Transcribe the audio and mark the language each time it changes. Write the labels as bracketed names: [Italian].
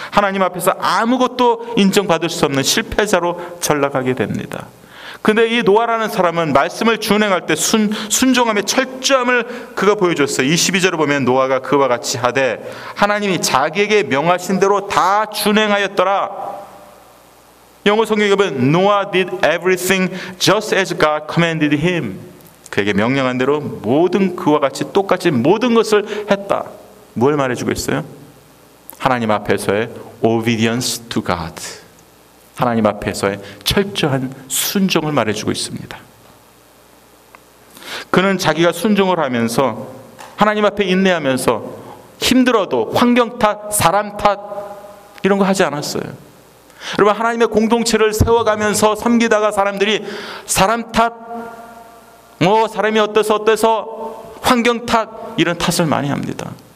[Korean] 하나님 앞에서 아무것도 인정받을 수 없는 실패자로 전락하게 됩니다. 근데 이 노아라는 사람은 말씀을 준행할 때 순종함의 철저함을 그가 보여줬어요. 22절을 보면 노아가 그와 같이 하되 하나님이 자기에게 명하신 대로 다 준행하였더라. 영어 성경에 보면 [English] Noah did everything just as God commanded him. [Korean] 그에게 명령한 대로 모든 그와 같이 똑같이 모든 것을 했다. 뭘 말해주고 있어요? 하나님 앞에서의 [English] obedience to God. [Korean] 하나님 앞에서의 철저한 순종을 말해주고 있습니다. 그는 자기가 순종을 하면서 하나님 앞에 인내하면서 힘들어도 환경 탓, 사람 탓 이런 거 하지 않았어요. 여러분, 하나님의 공동체를 세워가면서 섬기다가 사람들이 사람 탓, 뭐 사람이 어때서 어때서, 환경 탓 이런 탓을 많이 합니다.